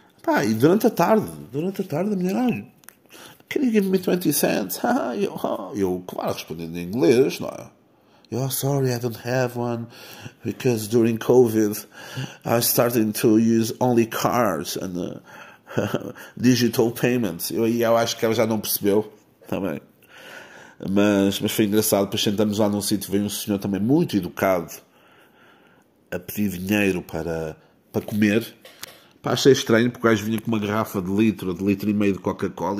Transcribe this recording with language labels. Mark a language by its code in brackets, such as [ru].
[pt] Pá, e durante a tarde, a mulher, ah, [en] can you give me 20 cents? [pt] Ah, eu, claro, respondendo em inglês, não é? [en] Oh, sorry, I don't have one, because during COVID, I started to use only cards and digital payments. [pt] Eu acho que ela já não percebeu também. Mas foi engraçado, depois sentamos lá num sítio, veio um senhor também muito educado a pedir dinheiro para comer. Pá, achei estranho, porque o gajo vinha com uma garrafa de litro e meio de Coca-Cola.